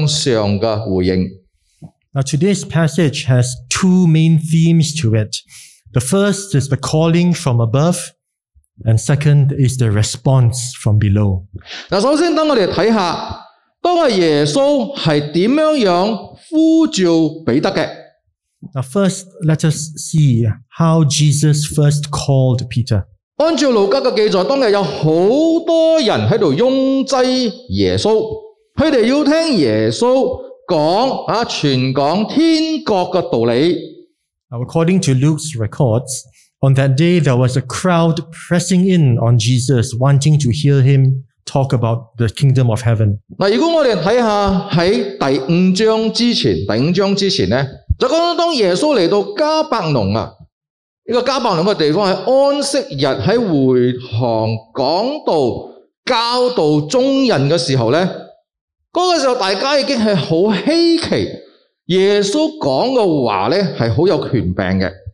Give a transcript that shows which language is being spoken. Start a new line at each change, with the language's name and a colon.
Cantonese: 这两个主题就是从上而下的呼召，同埋从下向上的回应。
English: Now today's passage has two main themes to it. The first is the calling from above, and second is the response from below.
Cantonese: 首先，等我哋睇下，当系耶稣系点样样呼召彼得嘅。
English: Now first, let us see how Jesus first called Peter.
Cantonese: 按照路加的记载，当日有好多人在拥挤耶稣，他们要听耶稣讲全港天国的道理。
English: Now according to Luke's records, On that day, there was a crowd pressing in on Jesus, wanting to hear him talk about the kingdom of heaven.
Cantonese: 如果我们看下在第五章之前呢，就讲到当耶稣来到加百农啊，呢个加百农嘅地方系安息日喺会堂讲道教导众人嘅时候咧，嗰个时候大家已经系好稀奇，耶稣讲嘅话咧系好有权柄嘅。